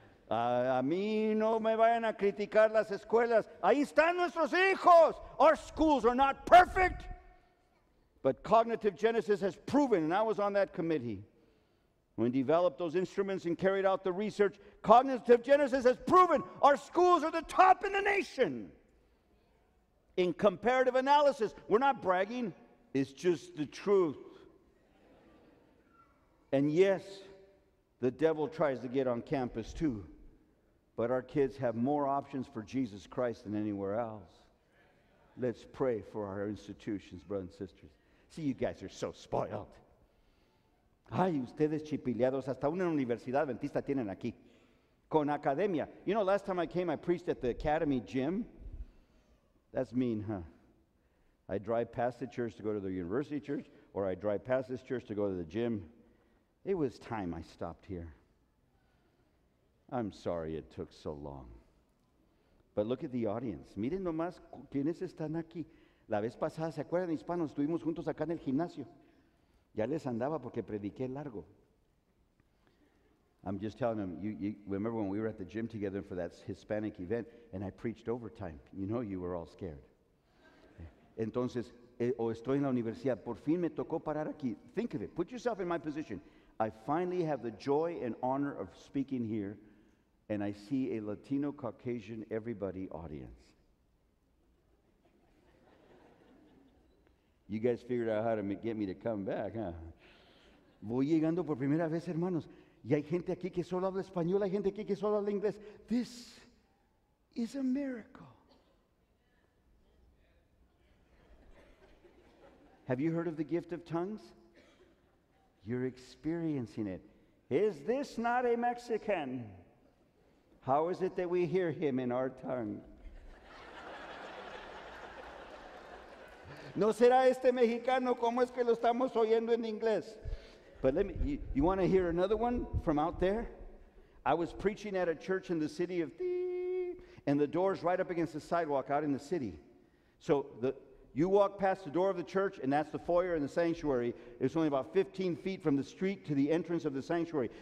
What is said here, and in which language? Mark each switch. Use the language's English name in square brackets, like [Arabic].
[Spanish] A mí no me vayan a criticar las escuelas. Ahí están nuestros hijos. [English] Our schools are not perfect. But cognitive genesis has proven, and I was on that committee, when developed those instruments and carried out the research, cognitive genesis has proven our schools are the top in the nation. In comparative analysis, we're not bragging. It's just the truth. And yes, the devil tries to get on campus too. But our kids have more options for Jesus Christ than anywhere else. Let's pray for our institutions, brothers and sisters. See, you guys are so spoiled. [Spanish] Ay, ustedes chipileados, hasta una universidad adventista tienen aquí. Con academia. [English] You know, last time I came, I preached at the academy gym. That's mean, huh? I drive past the church to go to the university church, or I drive past this church to go to the gym. It was time I stopped here. I'm sorry it took so long. But look at the audience. [Spanish] Miren nomás quiénes están aquí. La vez pasada, ¿se acuerdan, hispanos? Estuvimos juntos acá en el gimnasio. Ya les andaba porque prediqué largo. [English] I'm just telling them, you remember when we were at the gym together for that Hispanic event and I preached overtime? You know you were all scared. [Spanish] Entonces, o estoy en la universidad, por fin me tocó parar aquí. [English] Think of it. Put yourself in my position. I finally have the joy and honor of speaking here. And I see a Latino, Caucasian, everybody audience. You guys figured out how to get me to come back, huh? [Spanish] Voy llegando por primera vez, hermanos. Y hay gente aquí que solo habla español, hay gente aquí que solo habla inglés. [English] This is a miracle. Have you heard of the gift of tongues? You're experiencing it. Is this not a Mexican? How is it that we hear him in our tongue? [Spanish] ¿No será este mexicano como es que lo estamos oyendo en inglés? [English] But let me, you want to hear another one from out there? I was preaching at a church in the city of D, and the door's right up against the sidewalk out in the city. So you walk past the door of the church, and that's the foyer and the sanctuary. It's only about 15 feet from the street to the entrance of the sanctuary.